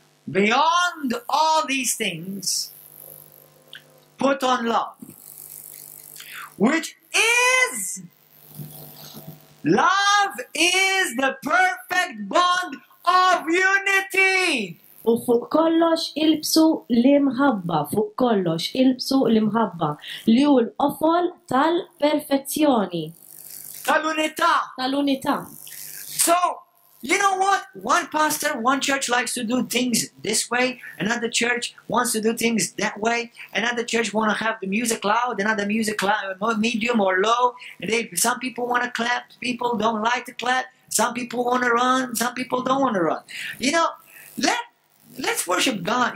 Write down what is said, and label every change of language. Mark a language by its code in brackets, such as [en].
[en] Beyond all these things, put on love, which is love is the perfect bond of unity. [mt] U fuq kollox ilbsu l-imħabba, fuq kollox ilbsu l-imħabba li hu l-qofol tal-perfezzjoni. Tal-unità. Tal-unità. [en] So, you know what? One pastor, one church likes to do things this way, another church wants to do things that way, another church want to have the music loud, another music loud, medium or low, and some people want to clap, people don't like to clap, some people want to run, some people don't want to run. You know, let let's worship God.